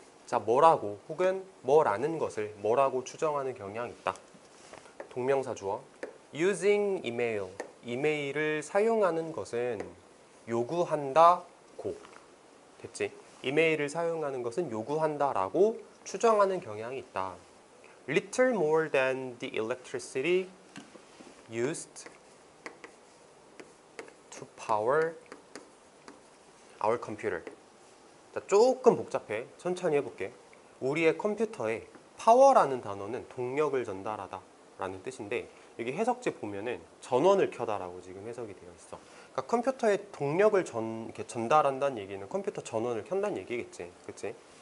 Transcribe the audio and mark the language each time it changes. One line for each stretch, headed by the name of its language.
Korean: 자, 뭐라고 혹은 뭐라는 것을 뭐라고 추정하는 경향이 있다. 동명사 주어. Using email. 이메일을 사용하는 것은 요구한다고. 됐지? 이메일을 사용하는 것은 요구한다라고 추정하는 경향이 있다.
English: Little more than the electricity used to power our computer.
Korean: 자, 조금 복잡해. 천천히 해볼게. 우리의 컴퓨터에 power라는 단어는 동력을 전달하다 라는 뜻인데 여기 해석지 보면은 전원을 켜다라고 지금 해석이 되어 있어. 그러니까 컴퓨터에 동력을 전달한다는 얘기는 컴퓨터 전원을 켠다는 얘기겠지. 그치?